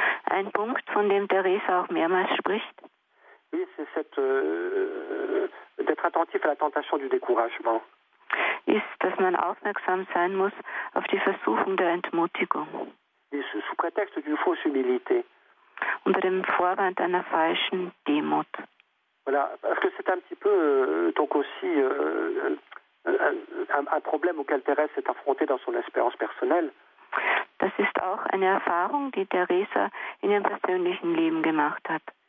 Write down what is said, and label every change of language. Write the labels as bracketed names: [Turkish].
[German] Ein Punkt, von dem Thérèse auch mehrmals spricht. [French] Oui, c'est cette d'être attentif à la tentation du découragement. [German] Ist, dass man aufmerksam sein muss auf die Versuchung der Entmutigung. [French] Et sous prétexte d'une fausse humilité. [German] Unter dem Vorwand einer falschen Demut. [French] Voilà, parce que c'est un petit peu donc aussi un problème auquel Thérèse s'est affrontée dans son expérience personnelle. [German] Das ist auch eine Erfahrung, die Thérèse in ihrem persönlichen Leben gemacht hat.